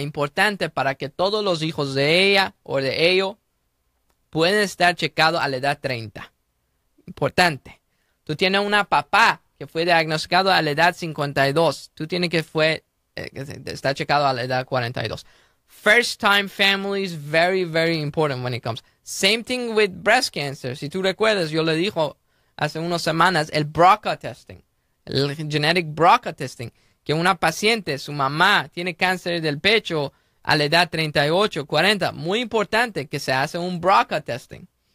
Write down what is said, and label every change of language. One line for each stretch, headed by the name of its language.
Spanish: Importante para que todos los hijos de ella o de ellos pueden estar checados a la edad 30. Importante. Tú tienes una papá que fue diagnosticado a la edad 52. Tú tienes que estar checado a la edad 42.
English: First time families, very, very important when it comes. Same thing with breast cancer.
Spanish: Si tú recuerdas, yo le dije hace unas semanas el BRCA testing. El
English: genetic BRCA testing,
Spanish: que una paciente, su mamá, tiene cáncer del pecho a la edad 38, 40. Muy importante que se hace un BRCA testing.